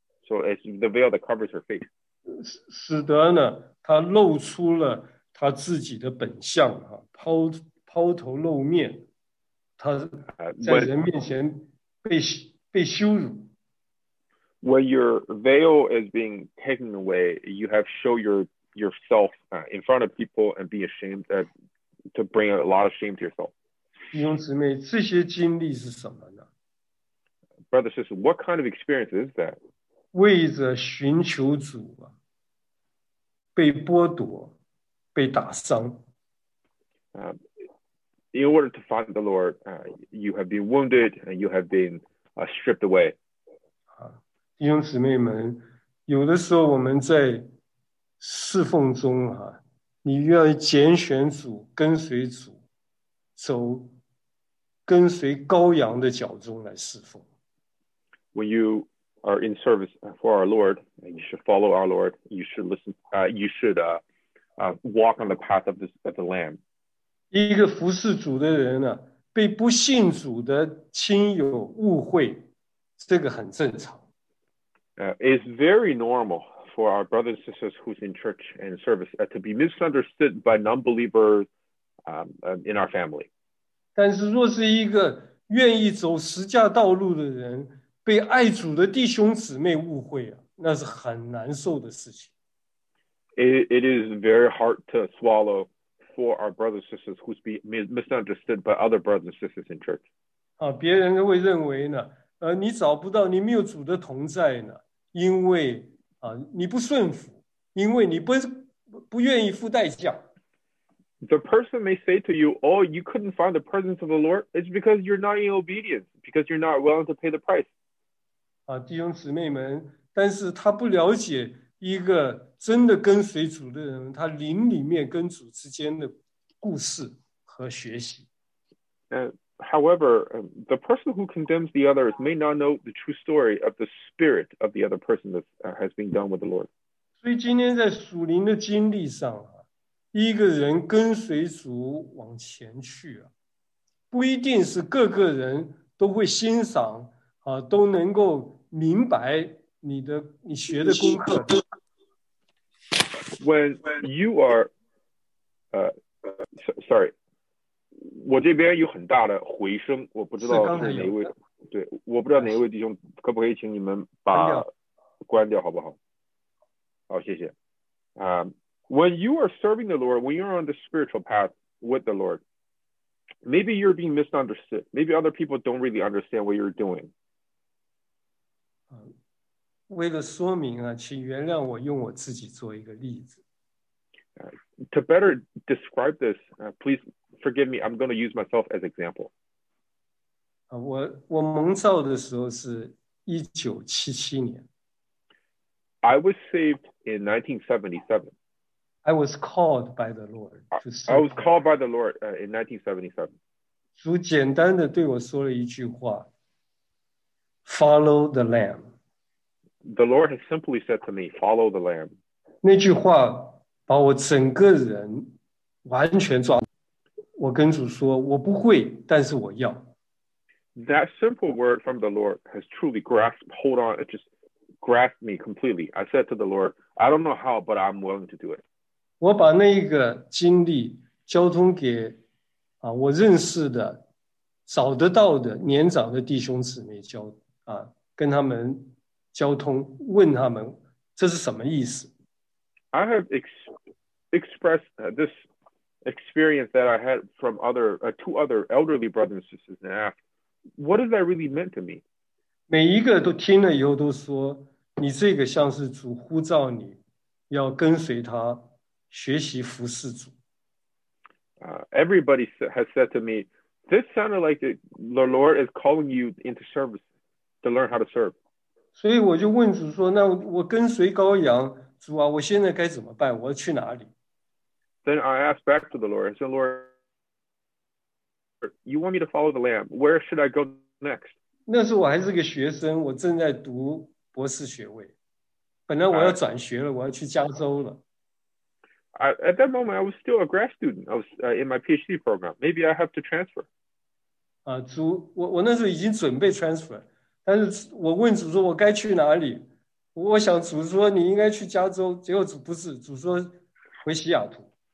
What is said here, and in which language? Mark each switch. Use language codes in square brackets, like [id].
[en] So it's the veil that covers her face. [zh] 使得呢，他露出了他自己的本相啊，抛头露面，他在人面前被羞辱。 [en] When your veil is being taken away, you have show yourself in front of people and be ashamed to bring a lot of shame to yourself. [zh] 弟兄姊妹，这些经历是什么呢？ [en] Brother, sister, what kind of experience is that? [zh] 为着寻求主啊，被剥夺，被打伤。 [en] In order to find the Lord, you have been wounded and you have been stripped away. [zh] 弟兄姊妹们，有的时候我们在侍奉中啊，你要拣选主，跟随主，走跟随羔羊的脚中来侍奉。 [en] When you are in service for our Lord, you should follow our Lord. You should listen. You should walk on the path of the Lamb. [zh] 一个服侍主的人呢、啊，被不信主的亲友误会，这个很正常。 [en] It's very normal for our brothers and sisters who's in church and service to be misunderstood by non-believers in our family. [zh] 但是若是一个愿意走十架道路的人被爱主的弟兄姊妹误会、啊、那是很难受的事情。 [en] It is very hard to swallow for our brothers and sisters who's be misunderstood by other brothers and sisters in church. [zh] 啊，别人会认为呢，你找不到，你没有主的同在呢，因为你不顺服，因为你不愿意付代价。 [en] The person may say to you, "Oh, you couldn't find the presence of the Lord. It's because you're not in obedience, because you're not willing to pay the price." [zh] 啊，弟兄姊妹们，但是他不了解一个真的跟随主的人，他灵里面跟主之间的故事和学习。 [en] However, the person who condemns the others may not know the true story of the spirit of the other person that has been done with the Lord. [zh] 所以今天在属灵的经历上、啊、一个人跟随主往前去、啊、不一定是各个人都会欣赏、啊、都能够明白你学的功课。 [en] When you are, sorry. [zh] 我这边有很大的回声，我不知道是哪位，对，我不知道哪位弟兄可不可以请你们把关掉好不好？好，谢谢。 [en] When you are serving the Lord, when you're on the spiritual path with the Lord, maybe you're being misunderstood. Maybe other people don't really understand what you're doing. [zh] 为了说明啊，请原谅我用我自己做一个例子。 [en] To better describe this, please forgive me. I'm going to use myself as example. [zh] 我蒙召的时候是1977年。 [en] I was saved in 1977. I was called by the Lord. I was called by the Lord in 1977. [zh] 主简单的对我说了一句话 , [en] Follow the Lamb. The Lord has simply said to me, follow the Lamb. [zh] 那句话把我整个人完全抓住。我跟主说我不会但是我要。 [en] That simple word from the Lord has truly grasped, hold on, it just grasped me completely. I said to the Lord, I don't know how, but I'm willing to do it. [zh] 我把那一个经历交通给我认识的、找得到的年长的弟兄姊妹交跟他们交通，问他们这是什么意思。 [en] I have expressed this experience that I had from other, two other elderly brothers and sisters and asked, What does that really mean to me? [zh] 每一个都听了以后都说，你这个像是主呼召你，要跟随他学习服侍主。 [en] Everybody has said to me, this sounded like the Lord is calling you into service to learn how to serve. [zh] 所以我就问主说，那我跟随羔羊，主啊，我现在该怎么办？我要去哪里？ [en] Then I asked back to the Lord, I said, Lord,You want me to follow the Lamb. Where should I go next? 那时候我还是个学生，我正在读博士学位。本来我要转学了，我要去加州了。 At that moment, I was still a grad student. I was in my PhD program. Maybe I have to transfer. [zh] 主，我那时候已经准备 transfer， 但是我问主说我该去哪里？我想主说你应该去加州，结果主不是，主说回西雅图。